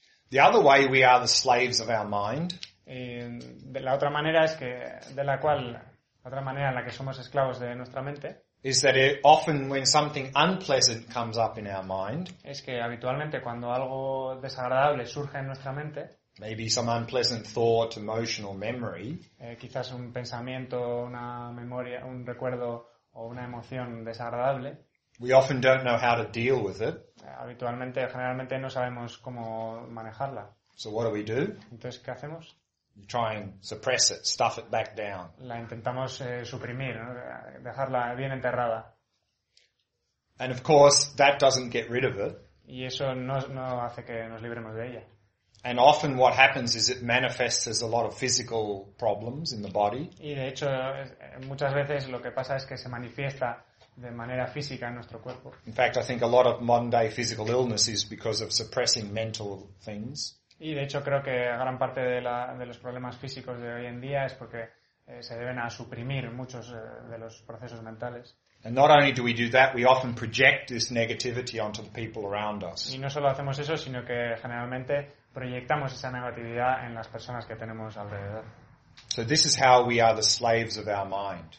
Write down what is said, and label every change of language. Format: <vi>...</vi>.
<en>The other way we are the slaves of our mind.</en> <es>Y de la otra manera es que de la cual otra manera en la que somos esclavos de nuestra mente</es> <en>is that it, often when something unpleasant comes up in our mind,</en> <es>es que habitualmente cuando algo desagradable surge en nuestra mente,</es> <en>maybe some unpleasant thought, emotion, or memory,</en> <es>quizás un pensamiento, una memoria, un recuerdo o una emoción desagradable,</es> <en>we often don't know how to deal with it.</en> <es>Habitualmente, generalmente no sabemos cómo manejarla.</es> <en>So what do we do?</en> <es>Entonces, ¿qué hacemos?</es> <en>You try and suppress it, stuff it back down.</en> <es>La intentamos suprimir, ¿no? Dejarla bien enterrada.</es> <en>And of course, that doesn't get rid of it.</en> <es>Y eso no hace que nos libremos de ella.</es> <en>And often what happens is it manifests as a lot of physical problems in the body.</en> <es>Y de hecho, muchas veces lo que pasa es que se manifiesta de manera física en nuestro cuerpo.</es> <en>In fact, I think a lot of modern day physical illness is because of suppressing mental things.</en> <es>Y de hecho creo que gran parte de los problemas físicos de hoy en día es porque se deben a suprimir muchos de los procesos mentales.</es> <en>And not only do we do that, we often project this negativity onto the people around us.</en> <es>Y no solo hacemos eso, sino que generalmente proyectamos esa negatividad en las personas que tenemos alrededor.</es> <en>So this is how we are the slaves of our mind.</en>